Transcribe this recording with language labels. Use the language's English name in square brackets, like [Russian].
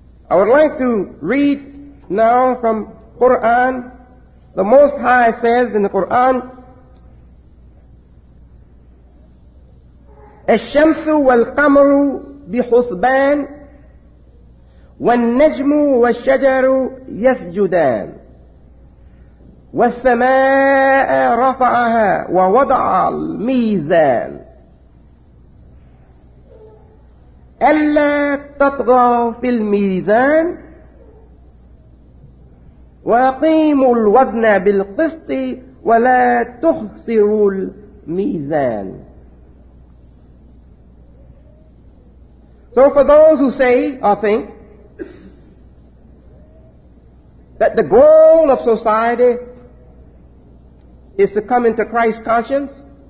[English] I would like to read now from Quran. The Most High says in the Quran, [Arabic] الشمس والقمر بحسبان والنجم والشجر يسجدان والسماء رفعها ووضع الميزان ألا تطغوا في الميزان وأقيموا الوزن بالقسط ولا تخسروا الميزان. [English] So for those who say, or think, that the goal of society is to come into Christ conscience,